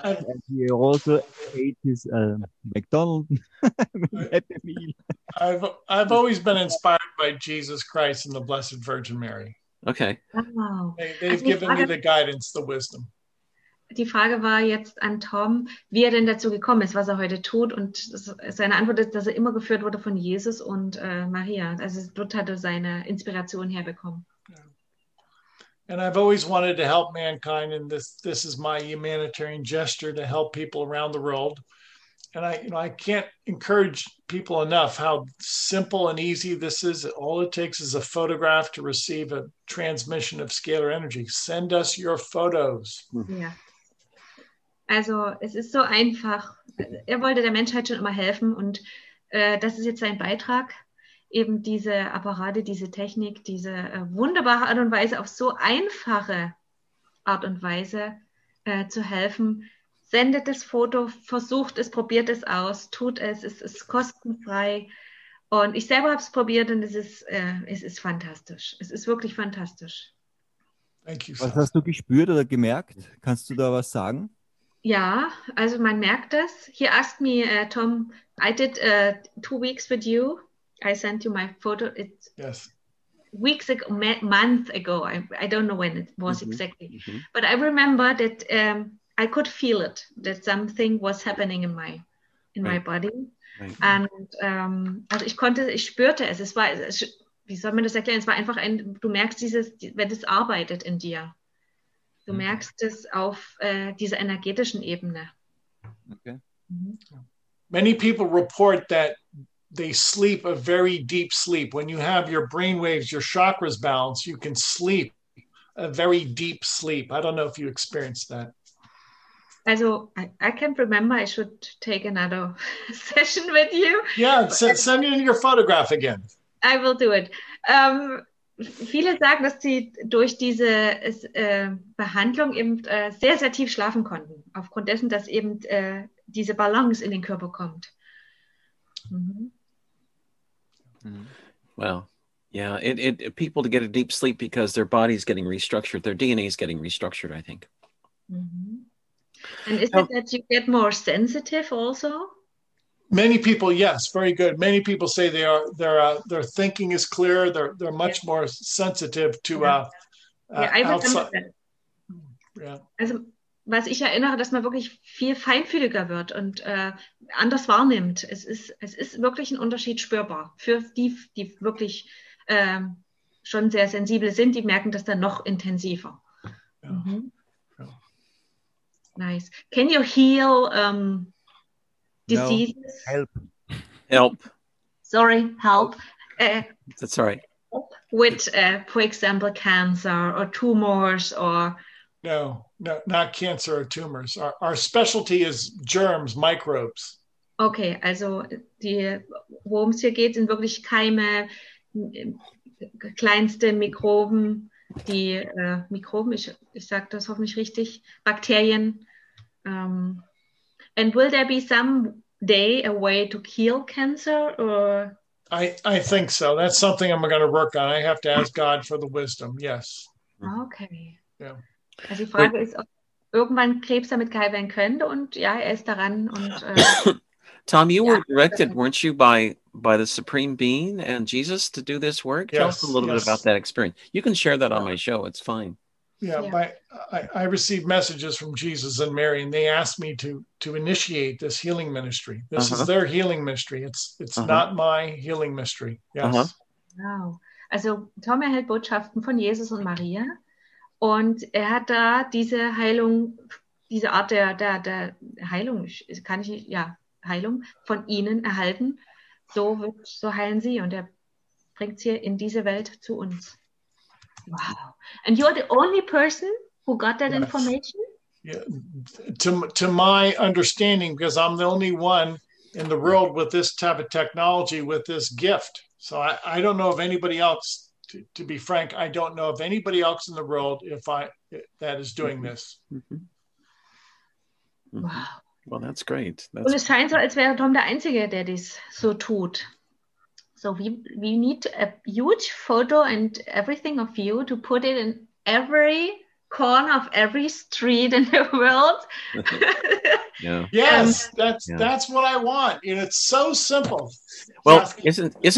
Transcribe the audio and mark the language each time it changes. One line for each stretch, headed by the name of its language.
English: And he also ate his McDonald's happy meal. I've always been inspired by Jesus Christ and the Blessed Virgin Mary. Okay. Oh. They've given me the guidance, the wisdom.
German: Die Frage war jetzt an Tom, wie er denn dazu gekommen ist, was er heute tut. Und seine Antwort ist, dass er immer geführt wurde von Jesus und Maria. Also dort hat er seine Inspiration herbekommen.
English: And I've always wanted to help mankind, and this is my humanitarian gesture to help people around the world. And I can't encourage people enough how simple and easy this is. All it takes is a photograph to receive a transmission of scalar energy. Send us your photos. Yeah.
German: Also es ist so einfach. Er wollte der Menschheit schon immer helfen und das ist jetzt sein Beitrag, eben diese Apparate, diese Technik, diese wunderbare Art und Weise, auf so einfache Art und Weise zu helfen. Sendet das Foto, versucht es, probiert es aus, tut es, es ist kostenfrei. Und ich selber habe es probiert und es ist fantastisch. Es ist wirklich fantastisch.
English: Thank you.
German: Was hast du gespürt oder gemerkt? Kannst du da was sagen? Ja, also man merkt das.
English: He asked me, Tom, I did 2 weeks with you. I sent you my photo. It's yes. Weeks ago, month ago. I don't know when it was mm-hmm. exactly. Mm-hmm. But I remember that I could feel it, that something was happening in my body. Right. And
German: also ich spürte es. Wie soll man das erklären? Es war einfach ein, du merkst dieses, wenn es arbeitet in dir. Du merkst es auf dieser energetischen Ebene.
English: Okay. Many people report that they sleep a very deep sleep. When you have your brain waves, your chakras balanced, you can sleep a very deep sleep. I don't know if you experienced that. Also, I can't remember. I should take another session with you. Yeah, send in your photograph again. I will do it.
German: Viele sagen, dass sie durch diese Behandlung eben sehr, sehr tief schlafen konnten, aufgrund dessen, dass eben diese Balance in den Körper kommt. Mhm.
English: Well, yeah, it people to get a deep sleep because their body is getting restructured, their DNA is getting restructured, I think. Mhm. And is it that you get more sensitive also? Many people, yes, very good. Many people say their thinking is clearer. They're much yeah. more sensitive to outside. Yeah.
German: Also, was ich erinnere, dass man wirklich viel feinfühliger wird und anders wahrnimmt. Es ist wirklich ein Unterschied spürbar für die wirklich schon sehr sensibel sind. Die merken das dann noch intensiver.
English: Yeah. Mhm. Yeah. Nice. Can you heal? Diseases. No. Help. Help. Sorry, help. That's all right. With, for example, cancer or tumors or... No, not cancer or tumors. Our specialty is germs, microbes.
German: Okay, also worum es hier geht, sind wirklich Keime, kleinste Mikroben, die Mikroben, ich sage das hoffentlich richtig, Bakterien.
English: And will there be some day a way to kill cancer, or? I think so. That's something I'm going to work on. I have to ask God for the wisdom. Yes. Okay. Yeah.
German: Also die Frage ist, ob irgendwann Krebs damit geheilt werden könnte, und ja, er ist daran. Und,
English: Tom, you were directed, weren't you, by the Supreme Being and Jesus to do this work? Yes, tell us a little bit about that experience. You can share that on my show. It's fine. Yeah, I received messages from Jesus and Mary, and they asked me to initiate this healing ministry. This is their healing ministry. It's not my healing mystery. Yes. Wow.
German: Also Tom erhält Botschaften von Jesus und Maria, und er hat da diese Heilung, diese Art der Heilung, kann ich ja Heilung von ihnen erhalten. So heilen sie, und er bringt sie in diese Welt zu uns.
English: Wow. And you're the only person who got that information? Yeah. To my understanding, because I'm the only one in the world with this type of technology, with this gift. So I don't know of anybody else, to be frank, I don't know of anybody else in the world that is doing this. Wow. Well, that's great.
German: Und es scheint so, als wäre Tom der Einzige, der das so tut.
English: So we need a huge photo and everything of you to put it in every corner of every street in the world. Yeah. Yes, that's what I want. And it's so simple. Well, yeah. isn't